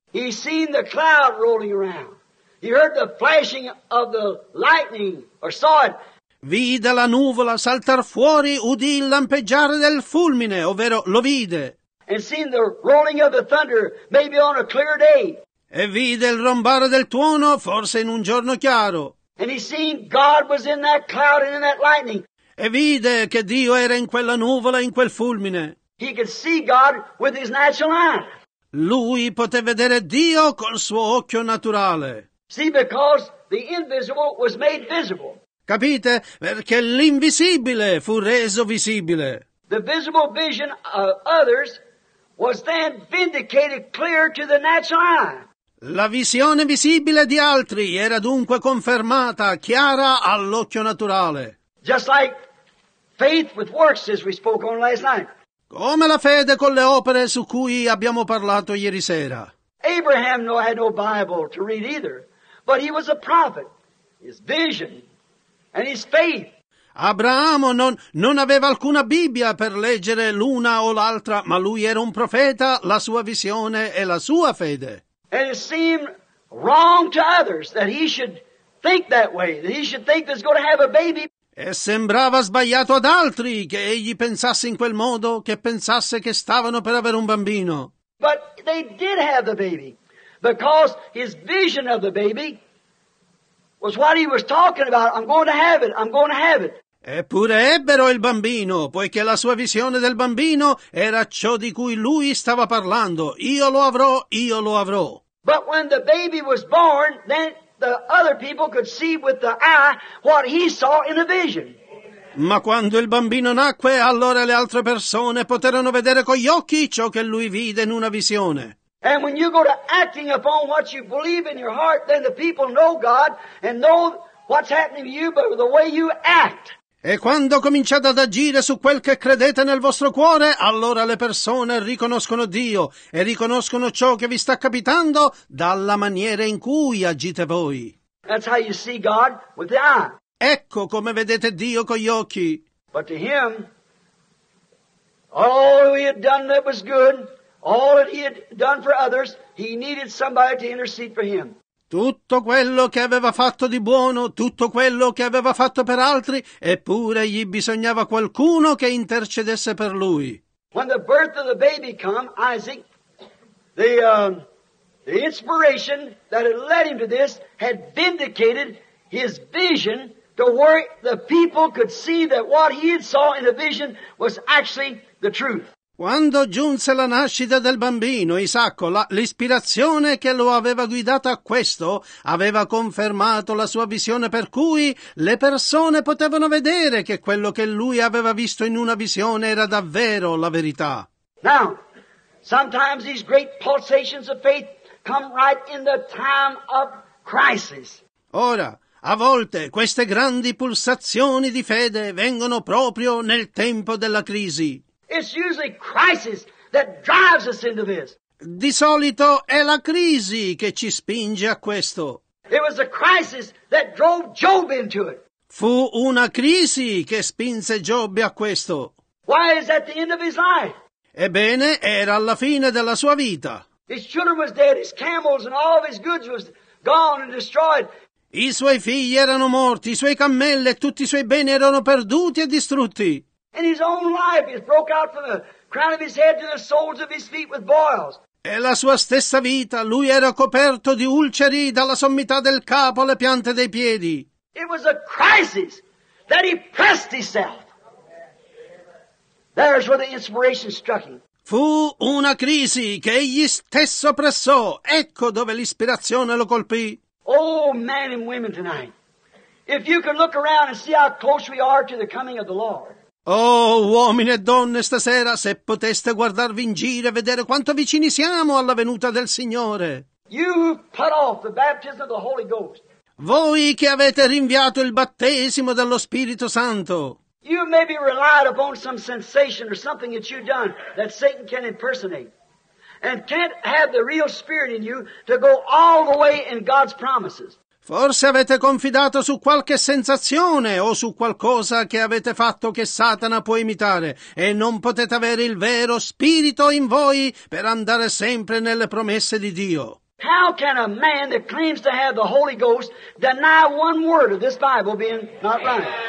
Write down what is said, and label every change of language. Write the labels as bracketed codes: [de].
[en] He seen the cloud rolling around. He heard the flashing of the lightning, or saw it. [it] Vide la nuvola saltar fuori, udì il lampeggiare del fulmine, ovvero lo vide. [en] And seen the rolling of the thunder, maybe on a clear day. [it] E vide il rombare del tuono, forse in un giorno chiaro. [en] And he seen God was in that cloud and in that lightning. [it] E vide che Dio era in quella nuvola, in quel fulmine. [en] He could see God with his natural eye. [it] Lui poteva vedere Dio col suo occhio naturale. [en] See, because the invisible was made visible. [it] Capite? Perché l'invisibile fu reso visibile. [en] The visible vision of others was then vindicated clear to the natural eye. [it] La visione visibile di altri era dunque confermata, chiara all'occhio naturale. [en] Just like faith with works, as we spoke on last night. [it] Come la fede con le opere su cui abbiamo parlato ieri sera. [en] Abraham had no Bible to read either, but he was a prophet. His vision and his faith. [it] Abramo non aveva alcuna Bibbia per leggere l'una o l'altra, ma lui era un profeta, la sua visione e la sua fede. [en] And it seemed wrong to others that he should think that way, that he should think that he's going to have a baby. [it] E sembrava sbagliato ad altri che egli pensasse in quel modo, che pensasse che stavano per avere un bambino. [en] But they did have the baby, because his vision of the baby was what he was talking about. I'm going to have it, I'm going to have it. [it] Eppure ebbero il bambino, poiché la sua visione del bambino era ciò di cui lui stava parlando. Io lo avrò, io lo avrò. [en] But when the baby was born, then the other people could see with the eye what he saw in the vision. [it] Ma quando il bambino nacque, allora le altre persone poterono vedere con gli occhi ciò che lui vide in una visione. [en] And when you go to acting upon what you believe in your heart, then the people know God and know what's happening to you by the way you act. [it] E quando cominciate ad agire su quel che credete nel vostro cuore, allora le persone riconoscono Dio e riconoscono ciò che vi sta capitando dalla maniera in cui agite voi. [en] That's how you see God with the eye. [it] Ecco come vedete Dio con gli occhi. [en] But to him, all he had done that was good, all that he had done for others, he needed somebody to intercede for him. [it] Tutto quello che aveva fatto di buono, tutto quello che aveva fatto per altri, eppure gli bisognava qualcuno che intercedesse per lui. [en] When the birth of the baby come, Isaac, the inspiration that had led him to this had vindicated his vision to where the people could see that what he had saw in the vision was actually the truth. [it] Quando giunse la nascita del bambino, Isacco, l'ispirazione che lo aveva guidato a questo aveva confermato la sua visione, per cui le persone potevano vedere che quello che lui aveva visto in una visione era davvero la verità. [en] Now, sometimes these great pulsations of faith come right in the time of crisis. [it] Ora, a volte queste grandi pulsazioni di fede vengono proprio nel tempo della crisi. [en] It's usually crisis that drives us into this. [it] Di solito è la crisi che ci spinge a questo. [en] It was a crisis that drove Job into it. [it] Fu una crisi che spinse Job a questo. [en] Why is at the end of his life? [it] Ebbene, era alla fine della sua vita. [en] His children was dead, his camels and all of his goods was gone and destroyed. [it] I suoi figli erano morti, i suoi cammelli e tutti i suoi beni erano perduti e distrutti. [en] And his own life is broke out from the crown of his head to the soles of his feet with boils. [it] E la sua stessa vita, lui era coperto di ulceri dalla sommità del capo alle piante dei piedi. [en] It was a crisis that he pressed himself. There's where the inspiration struck him. [it] Fu una crisi che egli stesso pressò. Ecco dove l'ispirazione lo colpì. [en] Oh, men and women tonight, if you can look around and see how close we are to the coming of the Lord. [it] Oh, uomini e donne, stasera, se poteste guardarvi in giro e vedere quanto vicini siamo alla venuta del Signore. [en] You put off the baptism of the Holy Ghost. [it] Voi che avete rinviato il battesimo dello Spirito Santo. [en] You maybe relied upon some sensation or something that you've done that Satan can impersonate. And can't have the real spirit in you to go all the way in God's promises. [it] Forse avete confidato su qualche sensazione o su qualcosa che avete fatto che Satana può imitare e non potete avere il vero spirito in voi per andare sempre nelle promesse di Dio. [en] How can a man that claims to have the Holy Ghost deny one word of this Bible being not right?